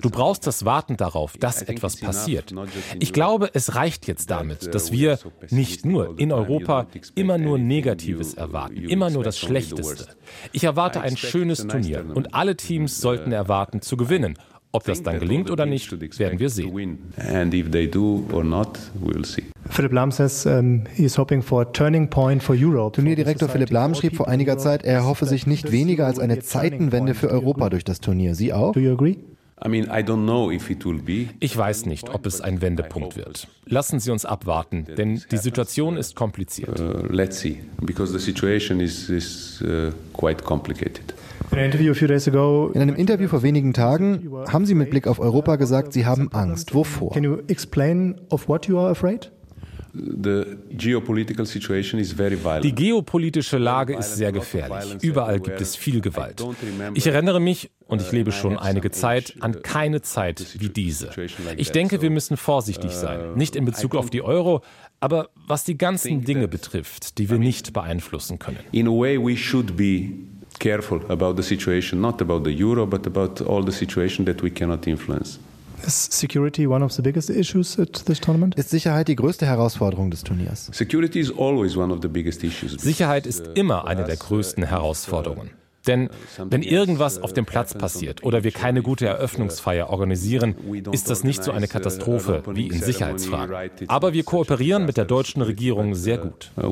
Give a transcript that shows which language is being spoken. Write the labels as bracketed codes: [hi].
[de] Du brauchst das Warten darauf, dass etwas passiert. Ich glaube, es reicht jetzt damit, dass wir nicht nur in Europa immer nur Negatives erwarten, immer nur das Schlechteste. Ich erwarte ein schönes Turnier und alle Teams sollten erwarten, zu gewinnen. Ob das dann gelingt oder nicht, werden wir sehen. [en] And if they do or not, we'll see. Philipp Lahm says he is hoping for a turning point for Europe. [de] Turnierdirektor Philipp Lahm schrieb vor einiger Zeit, er hoffe sich nicht weniger als eine Zeitenwende für Europa durch das Turnier. Sie auch? [en] Do you agree? I mean, I don't know if it will be. [de] Ich weiß nicht, ob es ein Wendepunkt wird. Lassen Sie uns abwarten, denn die Situation ist kompliziert. [en] Let's see, because the situation is quite complicated. [de] In einem Interview vor wenigen Tagen haben Sie mit Blick auf Europa gesagt, Sie haben Angst. Wovor? [en] Can you explain of what you are afraid? [de] Die geopolitische Lage ist sehr gefährlich. Überall gibt es viel Gewalt. Ich erinnere mich, und ich lebe schon einige Zeit, an keine Zeit wie diese. Ich denke, wir müssen vorsichtig sein. Nicht in Bezug auf die Euro, aber was die ganzen Dinge betrifft, die wir nicht beeinflussen können. [en] In a way we should be careful about the situation, not about the euro, but about all the situation that we cannot influence. Is security one of the biggest issues at this tournament? [de] Ist Sicherheit die größte Herausforderung des Turniers? [en] Security is always one of the biggest issues. [de] Sicherheit ist immer eine der größten Herausforderungen. Denn wenn irgendwas auf dem Platz passiert oder wir keine gute Eröffnungsfeier organisieren, ist das nicht so eine Katastrophe wie in Sicherheitsfragen. Aber wir kooperieren mit der deutschen Regierung sehr gut.